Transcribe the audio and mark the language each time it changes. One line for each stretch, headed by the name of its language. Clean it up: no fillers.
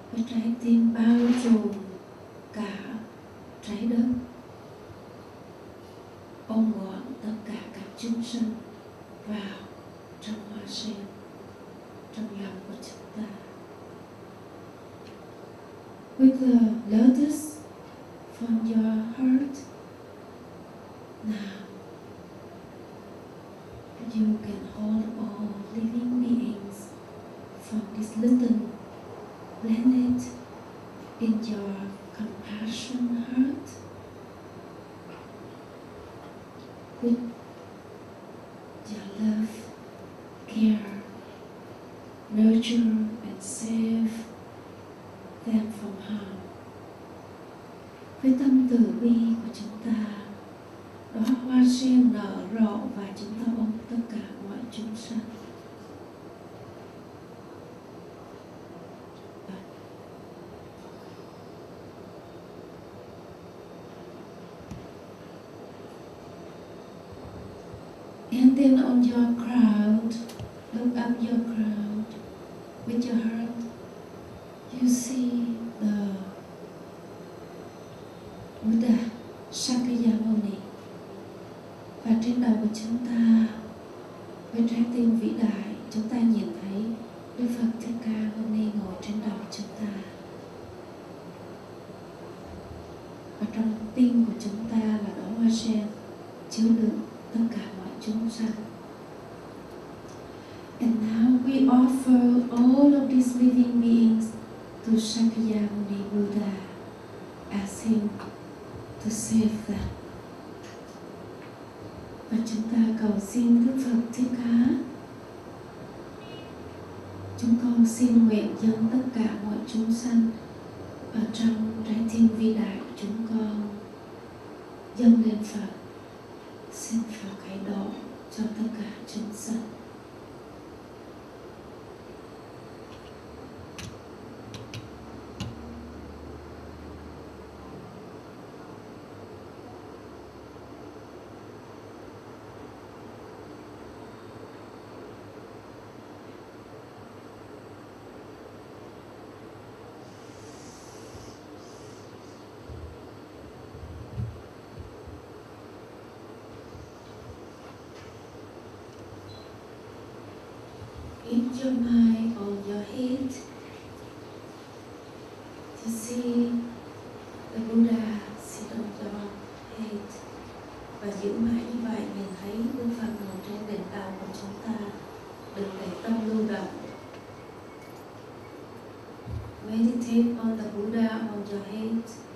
Vietnamese: Trái tim bao trùm cả trái đất, ôm gọn tất cả các chúng sinh vào trong hoa sen, trong lòng của chúng ta.
English: With the lotus from your heart, now you can hold all living beings from this little planet in your compassion heart. With your love, care, nurture and save them from harm.
Vietnamese: Với tâm từ bi của chúng ta, đó hoa sen nở rộ và chúng ta ôm tất cả mọi chúng sanh.
English: And then on your crown, look up your crown with your heart, you see the Buddha Sakya.
Vietnamese: Và trên đầu của chúng ta, với trái tim vĩ đại, chúng ta nhìn thấy Đức Phật Thích Ca hôm nay ngồi trên đầu chúng ta. Và trong tim của chúng ta là đóa hoa sen chứa đựng tất cả mọi chúng sanh.
English: And now we offer all of these living beings to Sakya Buddha, asking to save them.
Vietnamese: Và chúng ta cầu xin Đức Phật Thích Ca. Chúng con xin nguyện dâng tất cả mọi chúng sanh ở trong trái tim vĩ đại chúng con dâng lên Phật. Xin Phật hãy độ cho tất cả chúng sanh.
English: Your mind on your head to see the Buddha sit on your head.
Vietnamese: Và giữ mãi như vậy, nhìn thấy Đức Phật ngồi trên đỉnh đầu của chúng ta, đừng để tâm lưu động.
English: Meditate on the Buddha on your head.